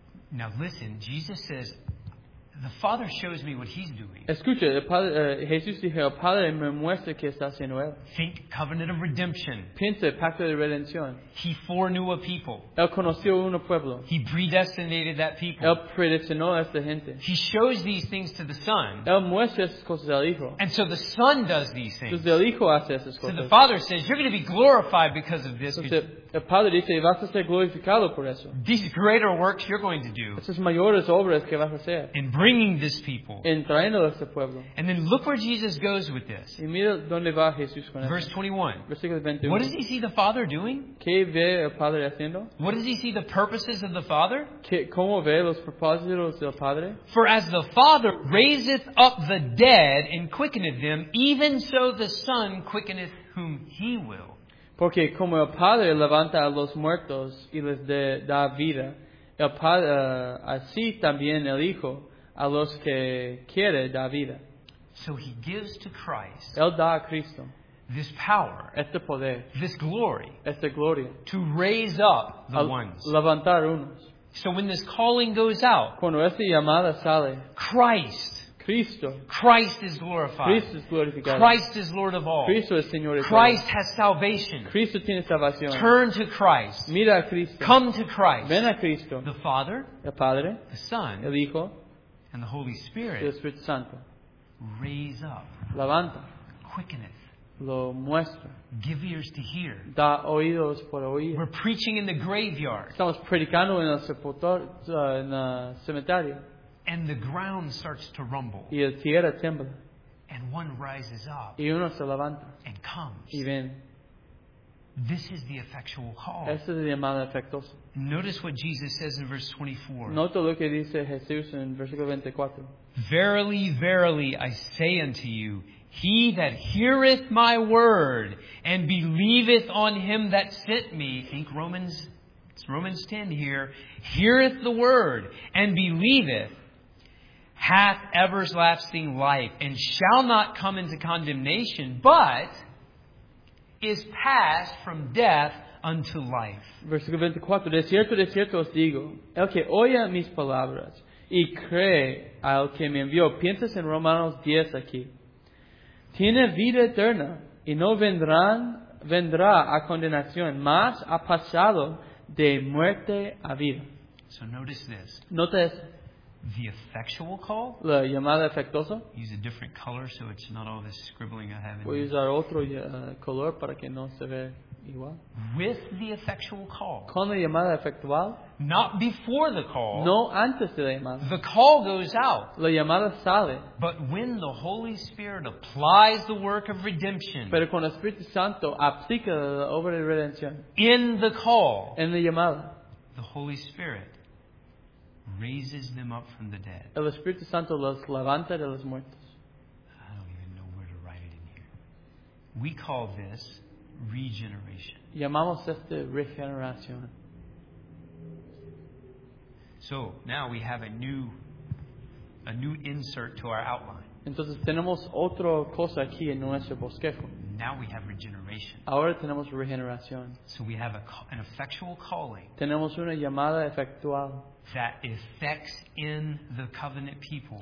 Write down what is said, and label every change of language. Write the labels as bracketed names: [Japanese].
[English] Now listen, Jesus says, the Father shows me what He's doing. [Spanish] Escucha, Jesús dijo, el Padre me muestra qué está haciendo él. [English] Think covenant of redemption. [Spanish] Piensa, pacto de redención. [English] He foreknew a people. [Spanish] Él conoció un pueblo. [English] He predestinated that people. [Spanish] Él predestinó a esta gente. [English] He shows these things to the Son. [Spanish] Él muestra esas cosas al Hijo. [English] And so the Son does these things. [Spanish] Entonces el Hijo hace esas cosas. [English] So the Father says, you're going to be glorified because of this. [Spanish] El Padre dice, vas a ser glorificado por eso. [English] These greater works you're going to do. [Spanish] Esas mayores obras que vas a hacer. [English] In bringing this people. [Spanish] En trayendo a este pueblo. [English] And then look where Jesus goes with this. [Spanish] Y mira dónde va Jesús con esto. [English] Verse 21. [Spanish] Versículo 21. [English] What does he see the Father doing? [Spanish] ¿Qué ve el Padre haciendo? [English] What does he see the purposes of the Father? [Spanish] ¿Cómo ve los propósitos del Padre? [English] For as the Father raiseth up the dead and quickeneth them, even so the Son quickeneth whom he will. [Spanish] Porque como el Padre levanta a los muertos y les da vida, el Padre, así también el Hijo a los que quiere da vida. [English] So he gives to Christ, [Spanish] él da a Cristo, [English] this power, [Spanish] este poder, [English] this glory, [Spanish] esta gloria, [English] to raise up the ones, [Spanish] levantar unos. [English] So when this calling goes out, [Spanish] cuando esta llamada sale, [English] Christ, Christ is glorified. [Spanish] Cristo es glorificado. [English] Christ is Lord of all. [Spanish] Cristo es Señor de todo. [English] Christ has salvation. [Spanish] Cristo tiene salvación. [English] Turn to Christ. [Spanish] Mira a Cristo. [English] Come to Christ. [Spanish] Ven a Cristo. [English] The Father. [Spanish] El Padre. [English] The Son. [Spanish] El Hijo. [English] And the Holy Spirit. [Spanish] El Espíritu Santo. [English] Raise up. [Spanish] Levanta. [English] Quickeneth. [Spanish] Lo muestra. [English] Give ears to hear. [Spanish] Da oídos por oír. [English] We're preaching in the graveyard. [Spanish] Estamos predicando en el cementerio. [English] And the ground starts to rumble. [Spanish] Y la tierra tiembla. [English] And one rises up. [Spanish] Y uno se levanta. [English] And comes. [Spanish] Y ven. [English] This is the effectual call. [Spanish] Esta es la llamada efectuosa. [English] Notice what Jesus says in verse 24. [Spanish] Nota lo que dice Jesús en versículo 24. [English] Verily, verily, I say unto you, he that heareth my word and believeth on him that sent me, think Romans 10 here, heareth the word and believeth, hath everlasting life, and shall not come into condemnation, but is passed from death unto life. [Spanish] Versículo 24. De cierto os digo, el que oye mis palabras y cree al que me envió, piensas en Romanos 10 aquí, tiene vida eterna, y no vendrá a condenación, mas ha pasado de muerte a vida. [English] So notice this. [Spanish] Nota esto. [English] The effectual call. [Spanish] La llamada efectuosa. [English] Use a different color so it's not all this scribbling I have. [Spanish] Voy a usar otro color para que no se vea igual. [English] With the effectual call. [Spanish] Con la llamada efectual. [English] Not before the call. [Spanish] No antes de la llamada. [English] The call goes out. [Spanish] La llamada sale. [English] But when the Holy Spirit applies the work of redemption. [Spanish] Pero cuando el Espíritu Santo aplica la obra de redención. [English] In the call. [Spanish] En la llamada. [English] The Holy Spirit raises them up from the dead. [Spanish] El Espíritu Santo los levanta de los muertos. [English] I don't even know where to write it in here. We call this regeneration. [Spanish] Llamamos esto regeneración. [English] So now we have a new insert to our outline. [Spanish] Entonces tenemos otra cosa aquí en nuestro bosquejo. [English] Now we have regeneration. [Spanish] Ahora tenemos regeneración. [English] So we have an effectual calling. [Spanish] Tenemos una llamada efectual. [English] That affects in the covenant people.